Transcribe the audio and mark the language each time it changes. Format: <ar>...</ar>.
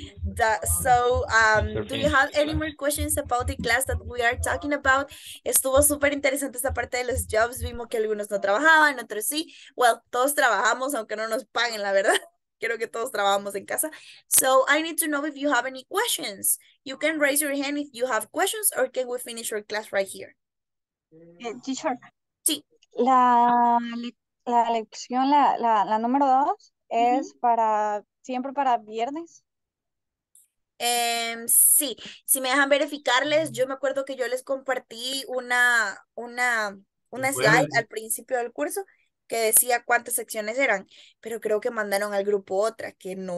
<en>Do you have any more questions about the class that we are talking about?</en> <es>Estuvo súper interesante esta parte de los jobs. Vimos que algunos no trabajaban, otros sí. Well, todos trabajamos, aunque no nos paguen, la verdad. Quiero que todos trabajamos en casa.</es> <en>So I need to know if you have any questions. You can raise your hand if you have questions, or can we finish your class right here? Teacher.</en> <es>Sí. La lección, la número dos, es para siempre para viernes. Sí, si me dejan verificarles, yo me acuerdo que yo les compartí una slide al principio del curso que decía cuántas secciones eran, pero creo que mandaron al grupo otra que no</es>